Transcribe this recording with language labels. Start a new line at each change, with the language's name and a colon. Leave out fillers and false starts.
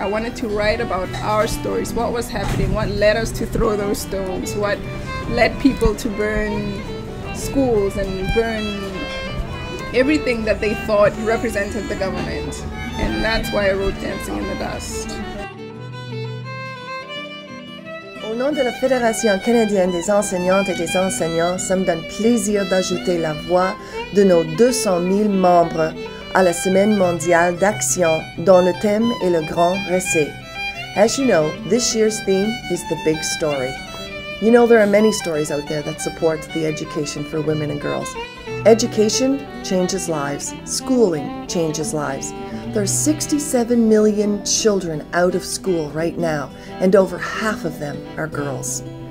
English: I wanted to write about our stories, what was happening, what led us to throw those stones, what led people to burn schools and burn everything that they thought represented the government. And that's why I wrote Dancing in the Dust.
French: Au nom de la Fédération canadienne des enseignantes et des enseignants, ça me donne plaisir d'ajouter la voix de nos 200 000 membres à la Semaine mondiale d'action, dont le thème est le grand récit.
English: As you know, this year's theme is the big story. You know, there are many stories out there that support the education for women and girls. Education changes lives. Schooling changes lives. There are 67 million children out of school right now, and over half of them are girls.